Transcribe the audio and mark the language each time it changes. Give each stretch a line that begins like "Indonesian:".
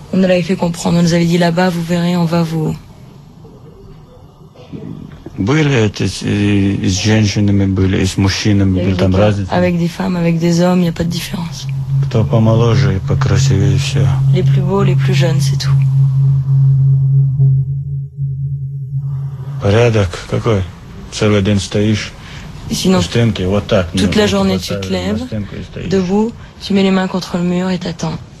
French: On nous l'avait fait comprendre, on nous avait dit, là-bas, vous verrez, on va vous...
Russian: Были эти и с женщинами были, и с мужчинами были там разницы.
French: Avec des femmes, avec des hommes, il n'y a pas de différence.
Russian: Кто помоложе и покрасивее, все.
French: Les plus beaux, les plus jeunes, c'est tout.
Russian: Порядок какой? Целый день стоишь
French: sinon,
Russian: на стенке, вот так.
French: Toute la journée tu te lèves, debout, tu mets les mains contre le mur et t'attends.